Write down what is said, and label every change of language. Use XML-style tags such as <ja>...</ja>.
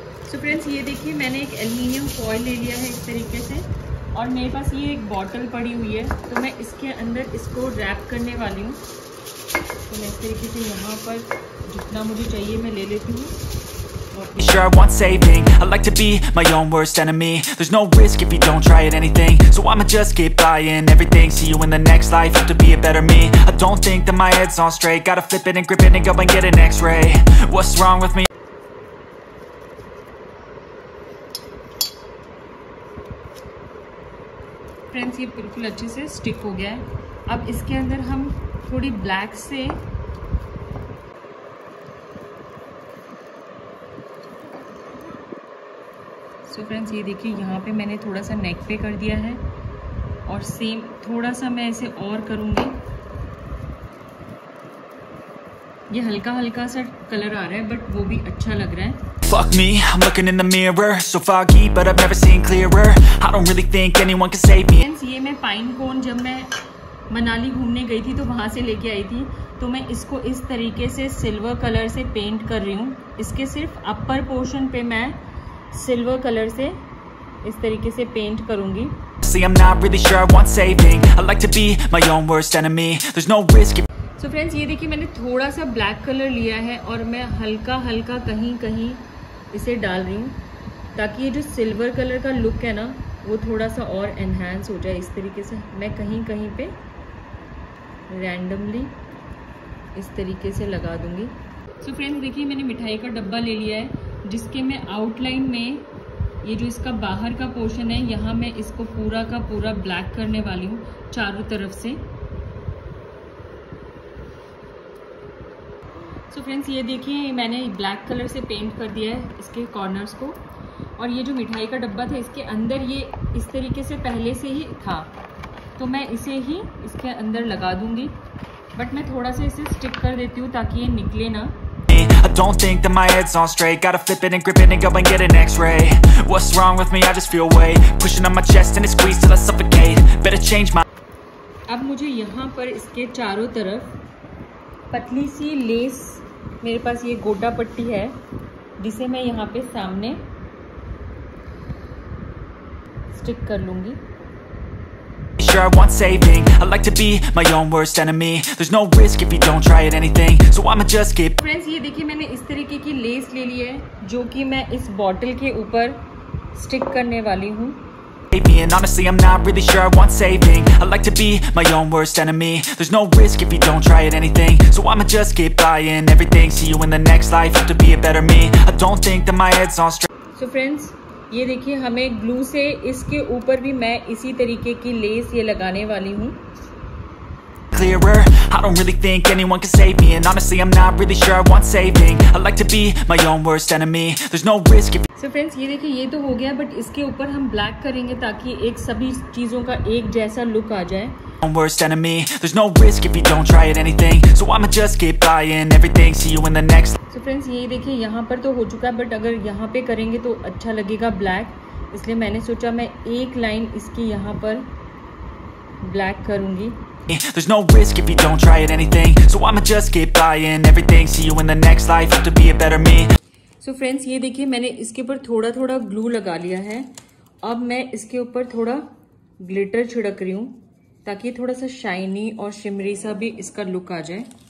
<hi>So friends ये देखिए, मैंने एक एल्युमिनियम फॉइल ले लिया है इस तरीके से, और मेरे पास ये एक बॉटल पड़ी हुई है, तो मैं इसके अंदर इसको रैप करने वाली हूँ। तो मैं इस तरीके से यहाँ पर जितना मुझे चाहिए मैं ले लेती हूँ।</hi> <en>Sure, I want saving. I like to be my own worst enemy. There's no risk if you don't try it anything. So I'ma just keep buying everything. See you in the next life. Have to be a better me. I don't think that my head's on straight. Gotta flip it and grip it and go and get an X-ray. What's wrong with me?</en> <hi>Friends ये बिल्कुल अच्छे से stick हो गया है। अब इसके अंदर हम थोड़ी ब्लैक से सो फ्रेंड्स, ये देखिए यहाँ पे मैंने थोड़ा सा नेक पे कर दिया है और सेम थोड़ा सा मैं ऐसे और करूँगी। ये हल्का हल्का सा कलर आ रहा है बट वो भी अच्छा लग रहा है।</hi> <en>Fuck me, I'm looking in the mirror, so foggy, but I've never seen clearer. I don't really think anyone can save me.</en> <hi>Friends, ये मैं पाइन कोन जब मैं मनाली घूमने गई थी तो वहाँ से लेके आई थी, तो मैं इसको इस तरीके से सिल्वर कलर से पेंट कर रही हूँ। इसके सिर्फ अपर पोर्शन पे मैं सिल्वर कलर से इस तरीके से पेंट करूँगी।</hi> <en>See, I'm not really sure I want saving. I like to be my own worst enemy. There's no risk.</en> <hi>So friends, ये देखिए मैंने थोड़ा सा ब्लैक कलर लिया है और मैं हल्का हल्का कहीं कहीं इसे डाल रही हूँ ताकि ये जो सिल्वर कलर का लुक है ना वो थोड़ा सा और एनहांस हो जाए। इस तरीके से मैं कहीं कहीं पे रैंडमली इस तरीके से लगा दूंगी। सो फ्रेंड्स, देखिए मैंने मिठाई का डब्बा ले लिया है जिसके मैं आउटलाइन में ये जो इसका बाहर का पोर्शन है यहाँ मैं इसको पूरा का पूरा ब्लैक करने वाली हूँ चारों तरफ से। सो फ्रेंड्स, ये देखिए मैंने ब्लैक कलर से पेंट कर दिया है इसके कॉर्नर्स को और ये जो मिठाई का डब्बा था इसके अंदर ये इस तरीके से पहले से ही था तो मैं इसे ही इसके अंदर लगा दूंगी बट मैं थोड़ा सा इसे स्टिक कर देती हूँ ताकि ये निकले ना।</hi> <en>I don't think that my head's on straight, gotta flip it and grip it and go and get an x-ray. What's wrong with me? I just feel weight pushing on my chest and it squeezes till I suffocate. Better change my...</en> <hi>अब मुझे यहाँ पर इसके चारों तरफ पतली सी less, मेरे पास ये गोटा पट्टी है जिसे मैं यहाँ पे सामने स्टिक कर लूंगी।</hi> <en>Sure, I want saving. I like to be my own worst enemy. There's no risk if you don't try it anything. So I'ma just keep.</en> <hi>Friends, ये देखिए मैंने इस तरीके की लेस ले ली है जो कि मैं इस बॉटल के ऊपर स्टिक करने वाली हूँ।</hi> <en>And honestly, I'm not really sure I want saving. I like to be my own worst enemy. There's no risk if you don't try it anything. So I'ma just keep buying everything. See you in the next life. Have to be a better me. I don't think that my head's on straight.</en> <hi>So friends, ये देखिए हमें glue से इसके ऊपर भी मैं इसी तरीके की लेस ये लगाने वाली हूँ।</hi> <en>Clearer, I don't really think anyone can save me. And honestly, I'm not really sure I want saving. I like to be my own worst enemy. There's no risk if...</en> <hi>So friends, ये देखिए ये तो हो गया but इसके ऊपर हम black करेंगे ताकि एक सभी चीजों का एक जैसा लुक आ जाए।</hi> <en>Worst enemy, there's no risk if you don't try it anything. So I'ma just keep buying everything. See you in the next.</en> <hi>So friends, ये देखिए यहाँ पर तो हो चुका है बट अगर यहाँ पे करेंगे तो अच्छा लगेगा ब्लैक, इसलिए मैंने सोचा मैं एक लाइन इसकी यहाँ पर ब्लैक करूंगी।</hi> <en>There's no risk if you don't try it anything. So I'ma just keep buying everything. See you in the next life. Have to be a better me.</en> <hi>So friends, ये देखिए मैंने इसके ऊपर थोड़ा थोड़ा ग्लू लगा लिया है। अब मैं इसके ऊपर थोड़ा ग्लिटर छिड़क रही हूँ ताकि थोड़ा सा शाइनी और शिमरी सा भी इसका लुक आ जाए।</hi>